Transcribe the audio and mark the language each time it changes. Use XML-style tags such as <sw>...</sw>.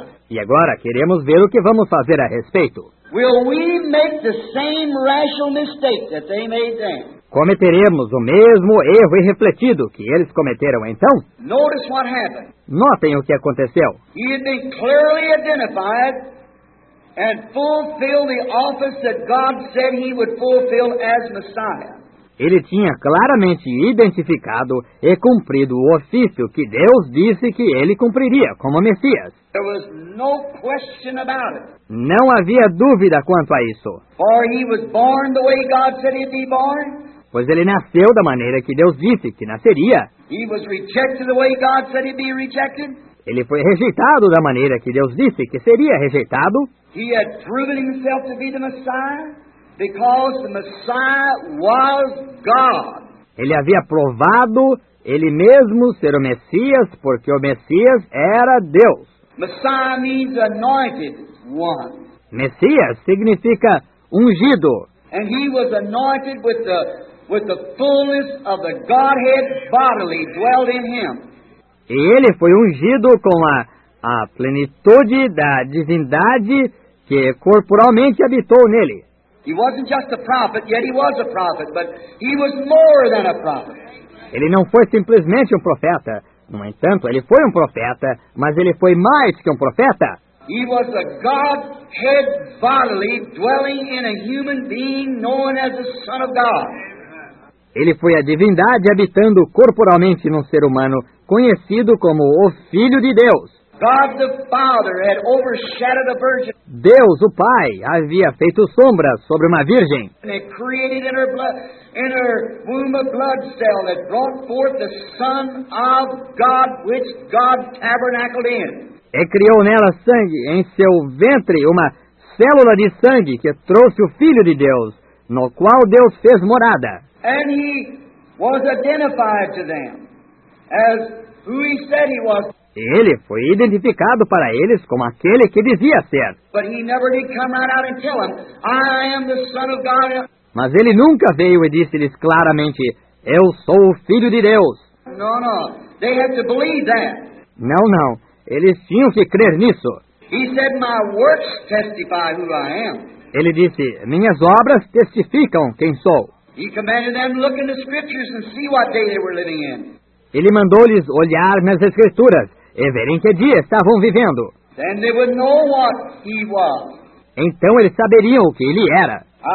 <pt>E agora queremos ver o que vamos fazer a respeito.</pt> <en>Will we make the same rational mistake that they made then?</en> <pt>Cometeremos o mesmo erro irrefletido que eles cometeram então?</pt> <en>Notice what happened.</en> <pt>Notem o que aconteceu.</pt> <en>He had been clearly identified and fulfilled the office that God said he would fulfill as Messiah.</en> <pt>Ele tinha claramente identificado e cumprido o ofício que Deus disse que ele cumpriria como Messias.</pt> <en>There was no question about it.</en> <pt>Não havia dúvida quanto a isso.</pt> <en>For he was born the way God said he'd be born.</en> <pt>Pois ele nasceu da maneira que Deus disse que nasceria.</pt> <en>He was rejected the way God said he'd be rejected.</en> <pt>Ele foi rejeitado da maneira que Deus disse que seria rejeitado.</pt> <en>He had proven himself to be the Messiah. Because the Messiah was God.</en> <pt>Ele havia provado ele mesmo ser o Messias, porque o Messias era Deus.</pt> <en>Messiah means anointed one.</en> <pt>Messias significa ungido.</pt> <en>And he was anointed with the fullness of the Godhead bodily dwelt in him.</en> <pt>E ele foi ungido com a plenitude da divindade que corporalmente habitou nele.</pt> <en>He wasn't just a prophet, yet he was a prophet, but he was more than a prophet.</en> <pt>Ele não foi simplesmente profeta. No entanto, ele foi profeta, mas ele foi mais que profeta.</pt> <en>He was a Godhead bodily dwelling in a human being known as the Son of God.</en> <pt>Ele foi a divindade habitando corporalmente num ser humano conhecido como o Filho de Deus.</pt> <en>God the Father had overshadowed a virgin.</en> <pt>Deus, o Pai, havia feito sombra sobre uma virgem.</pt> <en>And it created in her womb a blood cell that brought forth the Son of God, which God tabernacled in.</en> <pt>E criou nela sangue, em seu ventre, uma célula de sangue que trouxe o Filho de Deus, no qual Deus fez morada.</pt> <en>And he was identified to them as who he said he was.</en> <pt>Ele foi identificado para eles como aquele que dizia ser.</pt> <en>But he never did come right out and tell them, I am the Son of God.</en> <pt>Mas ele nunca veio e disse-lhes claramente, eu sou o Filho de Deus.</pt> <en>No, they had to believe that.</en> <pt>Não, eles tinham que crer nisso.</pt> <en>He said, my works testify who I am.</en> <pt>Ele disse, minhas obras testificam quem sou.</pt> <en>He commanded them to look in the scriptures and see what day they were living in.</en> <pt>Ele mandou-lhes olhar nas Escrituras e verem que dia estavam vivendo.</pt> <en>Then they would know what he was.</en> <pt>Então eles saberiam o que ele era.</pt>